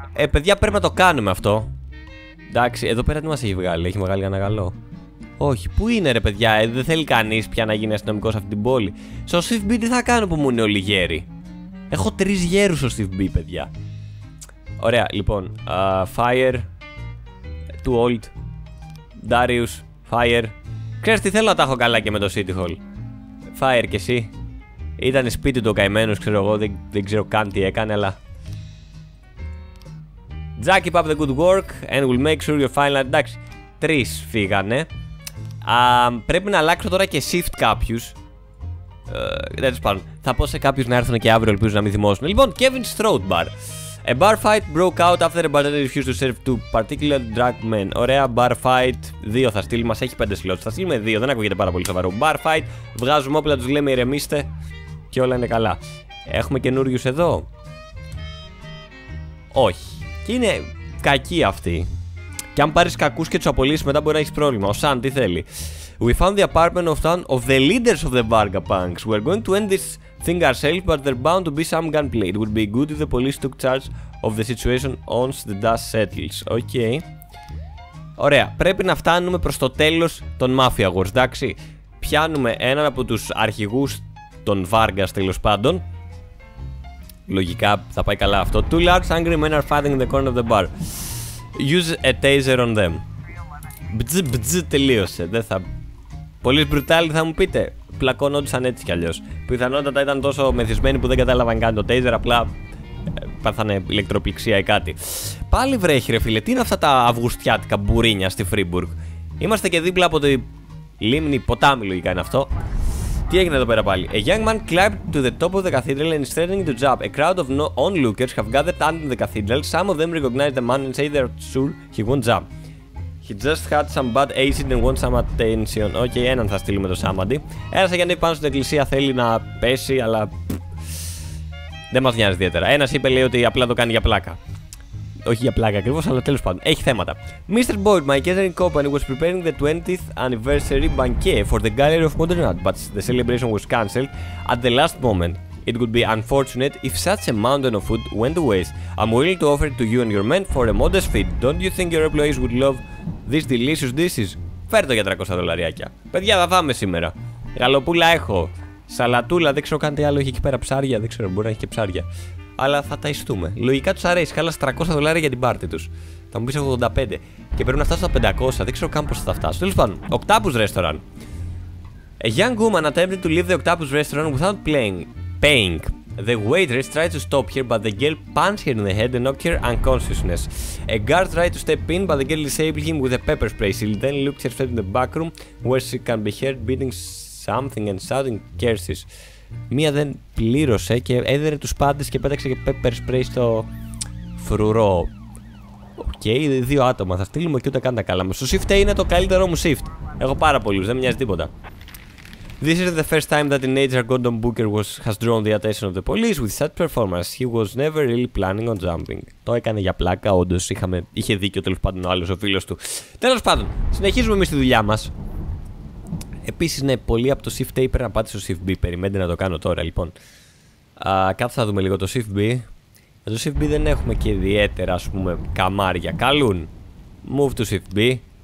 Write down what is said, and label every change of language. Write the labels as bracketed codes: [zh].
[el] Παιδιά, πρέπει να το κάνουμε αυτό. Εντάξει, εδώ πέρα τι μας έχει βγάλει. Έχει βγάλει ένα καλό. Όχι, πού είναι ρε παιδιά. Δεν θέλει κανείς πια να γίνει αστυνομικός σε αυτή την πόλη. Στο Steve B, τι θα κάνω που μου είναι όλοι γέροι. Έχω 3 γέρους στο Steve B, παιδιά. Ωραία, λοιπόν, [en] fire, too old, [el] Darius, fire. Ξέρεις τι, θέλω να τα έχω καλά και με το City Hall. Fire κι εσύ. Ήταν σπίτι του ο καημένος, ξέρω εγώ, δεν ξέρω καν τι έκανε, αλλά... [en] Jack, keep up the good work and we'll make sure you're fine. [el] Εντάξει, 3 φύγανε. Πρέπει να αλλάξω τώρα και shift κάποιους. Δεν τους πάνω. Θα πω σε κάποιους να έρθουν και αύριο, ελπίζω να μην θυμώσουν. Λοιπόν, Kevin's Throat Bar. [en] A bar fight broke out after a bartender refused to serve two particular drunk men. [el] Ωραία, bar fight. 2 θα στείλει, μας έχει 5 slots. Θα στείλουμε 2, δεν ακούγεται πάρα πολύ σοβαρό. Bar fight, βγάζουμε όπλα, τους λέμε ηρεμήστε και όλα είναι καλά. Έχουμε καινούριους εδώ. Όχι. Και είναι κακοί αυτοί. Και αν πάρεις κακούς και τους απολύσεις, μετά μπορεί να έχεις πρόβλημα. Ο Σαν, τι θέλει. [en] We found the apartment of one of the leaders of the Varga Punks. We're going to end this thing ourselves, but there's bound to be some gunplay. It would be good if the police took charge of the situation once the dust settles. [el] Okay. Ωραία. Πρέπει να φτάνουμε προς το τέλος των Mafia Wars, εντάξει. Πιάνουμε έναν από τους αρχηγούς των Vargas, τέλος πάντων. Λογικά θα πάει καλά αυτό. [en] Two large angry men are fighting in the corner of the bar. Use a taser on them. [el] Μπτζ, μπτζ, τελείωσε. Δεν θα... Πολύ μπρουτάλι θα μου πείτε. Πλακώνονταν έτσι κι αλλιώς. Πιθανότατα ήταν τόσο μεθυσμένοι που δεν κατάλαβαν καν το τέιζερ, απλά πάθανε ηλεκτροπληξία ή κάτι. Πάλι βρέχει ρε φίλε, τι είναι αυτά τα αυγουστιάτικα μπουρίνια στη Φρίμπουργκ. Είμαστε και δίπλα από τη λίμνη, ποτάμι λογικά είναι αυτό. Τι έγινε εδώ πέρα πάλι. [en] A young man climbed to the top of the cathedral and is threatening to jump. A crowd of onlookers have gathered under the cathedral. Some of them recognize the man and say they're sure he won't jump. He just had some bad acid and wants some attention. [el] Okay, έναν θα στείλουμε το Σάμαντι. Ένας έγινε πάνω στην εκκλησία, θέλει να πέσει, αλλά... Δεν μας νοιάζει ιδιαίτερα. Ένας είπε, λέει, ότι απλά το κάνει για πλάκα. Όχι για πλάκα ακριβώς, αλλά τέλος πάντων. Έχει θέματα. Mr. [en] Boyd, my catering company was preparing the 20th anniversary banquet for the Gallery of Modern Art, but the celebration was cancelled at the last moment. It would be unfortunate if such a mountain of food went to waste. I'm willing to offer it to you and your men for a modest fee. Don't you think your employees would love these delicious dishes? [el] Φέρ το για 300 δολαριάκια. Παιδιά, θα φάμε σήμερα. Γαλοπούλα έχω. Σαλατούλα, δεν ξέρω καν τι άλλο έχει εκεί πέρα. Ψάρια, δεν ξέρω, μπορεί να έχει και ψάρια. Αλλά θα τα ιστούμε. Λογικά τους αρέσει. Χάλα 300 δολάρια για την πάρτι τους. Θα μου πεις 85. Και πρέπει να φτάσω στα 500. Δεν ξέρω καν πώς θα φτάσω. Τέλος πάντων, Octopus Restaurant. [en] A young woman attempted to leave the Octopus Restaurant without playing. Paying. The waitress tries to stop her, but the girl punches her in the head and knocks her unconsciousness. A guard tries to step in, but the girl disables him with a pepper spray. She then looks herself in the back room, where she can be heard beating something and shouting curses. [el] Μία δεν πλήρωσε και έδερε τους πάντες και πέταξε και pepper spray στο φρουρό. Okay, δύο άτομα. Θα στείλουμε και ούτε καν τα καλά μας. Στο shift A είναι το καλύτερό μου shift. Έχω πάρα πολλούς, δεν μοιάζει τίποτα. [en] This is the first time that teenager Gordon Booker was, has drawn the attention of the police with such performance. He was never really planning on jumping. [el] Το έκανε για πλάκα, όντως είχε δίκιο τέλος πάντων ο άλλος ο φίλος του. Τέλος πάντων, συνεχίζουμε εμείς τη δουλειά μας. Επίσης, ναι, πολλοί από το shift A πρέπει να πάτε στο shift B. Περιμένετε να το κάνω τώρα, λοιπόν. Κάτσε να δούμε λίγο το shift B. Για το shift B δεν έχουμε και ιδιαίτερα, ας πούμε, καμάρια. Καλούν. [en] Move to shift B.